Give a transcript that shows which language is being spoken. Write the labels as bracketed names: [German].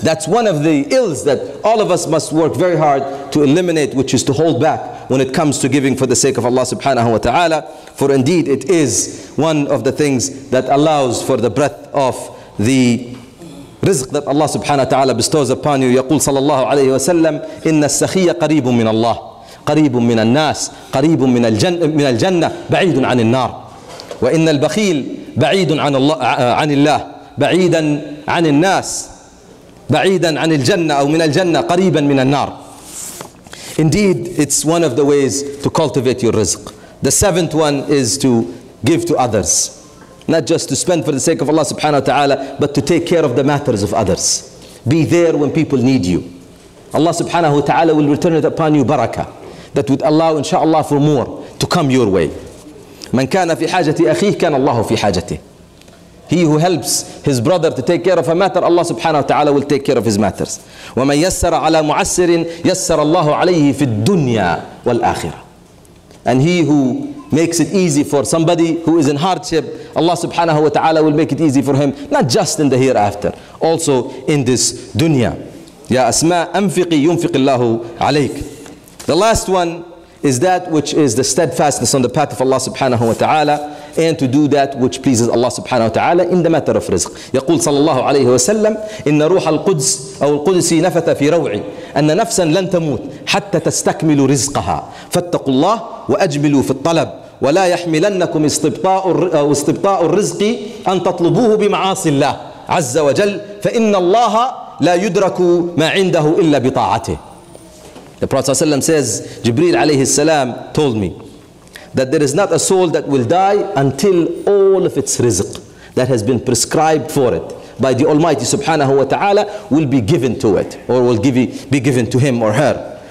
[English] That's one of the ills that all of us must work very hard to eliminate, which is to hold back when it comes to giving for the sake of Allah subhanahu wa ta'ala. For indeed, it is one of the things that allows for the breadth of the rizq that Allah subhanahu wa ta'ala bestows upon you. [Arabic] يقول صلى الله عليه وسلم إن السخي قريب من الله قريب من الناس قريب من الجنة بعيد عن النار وإن البخيل بعيد عن الله بعيدا عن الناس بعيدا عن الجنة أو من الجنة قريبا من النار. [English] Indeed, it's one of the ways to cultivate your rizq. The seventh one is to give to others. Not just to spend for the sake of Allah subhanahu wa ta'ala, but to take care of the matters of others. Be there when people need you. Allah subhanahu wa ta'ala will return it upon you barakah that would allow inshallah for more to come your way. [Arabic] من كان في حاجة أخيه كان الله في حاجته. [English] He who helps his brother to take care of a matter, Allah subhanahu wa ta'ala will take care of his matters. [Arabic] وَمَنْ يَسَّرَ عَلَى مُعَسِّرٍ يَسَّرَ اللَّهُ عَلَيْهِ فِي الدُّنْيَا وَالْآخِرَةِ. [English] And he who makes it easy for somebody who is in hardship, Allah subhanahu wa ta'ala will make it easy for him, not just in the hereafter, also in this dunya. [Arabic] يَا أَسْمَاء أَنْفِقِي يُنْفِقِ اللَّهُ عَلَيْكَ. [English] The last one is that which is the steadfastness on the path of Allah subhanahu wa ta'ala, and to do that which pleases Allah subhanahu wa ta'ala in the matter of rizq. [Arabic] يقول صلى الله عليه وسلم إن روح القدس أو القدس نفث في روعي أن نفسا لن تموت حتى تستكمل رزقها فاتقوا الله وأجملوا في الطلب ولا يحملنكم استبطاء الرزق أن تطلبوه بمعاصي الله عز وجل فإن الله لا يدرك ما عنده إلا بطاعته. [English] The Prophet ﷺ says, Jibreel alayhi salam told me that there is not a soul that will die until all of its rizq that has been prescribed for it by the Almighty subhanahu wa ta'ala will be given to it or will be given to him or her.